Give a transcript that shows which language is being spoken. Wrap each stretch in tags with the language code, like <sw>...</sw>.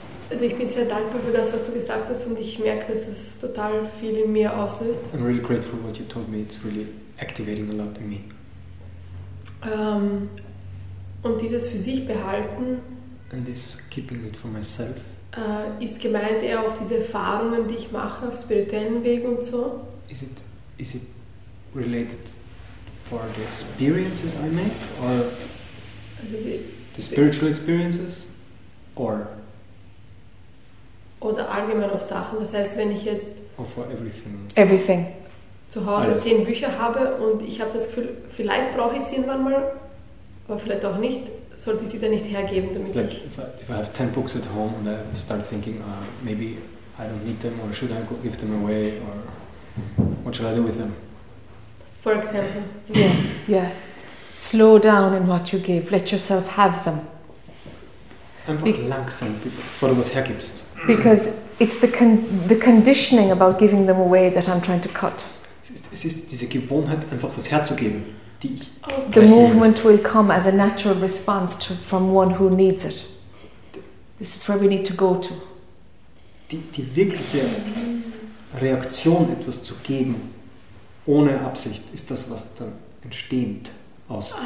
<de>Also ich bin sehr dankbar für das, was du gesagt hast und ich merke, dass es total viel in mir auslöst.</de> <en>I'm really grateful what you told me. It's really activating a lot in me.</en> <de>Und dieses für sich behalten.</de> <en>And this keeping it for myself.</en> <de>Ist gemeint eher auf diese Erfahrungen, die ich mache, auf spirituellen Wegen und so.</de> <en>Is it related for the experiences I make, or also the spiritual experiences, or?</en> <de>Oder allgemein auf Sachen, das heißt, wenn ich jetzt</de> <en>or for everything. Everything.</en> <de>Zu Hause 10 Bücher habe und ich habe das Gefühl, vielleicht brauche ich sie irgendwann mal, aber vielleicht auch nicht, sollte ich sie dann nicht hergeben, damit</de> <en>like</en> <de>ich...</de> <en>If I have 10 books at home and I start thinking, maybe I don't need them, or should I give them away, or what should I do with them? For example. Yeah. Slow down in what you give. Let yourself have them.</en> <de>Einfach langsam, bevor du was hergibst.</de> <en>Because it's the conditioning about giving them away that I'm trying to cut.</en> <de>Es ist diese Gewohnheit, einfach was herzugeben, die ich</de> <en>The movement will come as a natural response from one who needs it. This is where we need to go to.</en> <de>Die wirkliche Reaktion, etwas zu geben, ohne Absicht ist das, was dann entsteht aus dem.</de>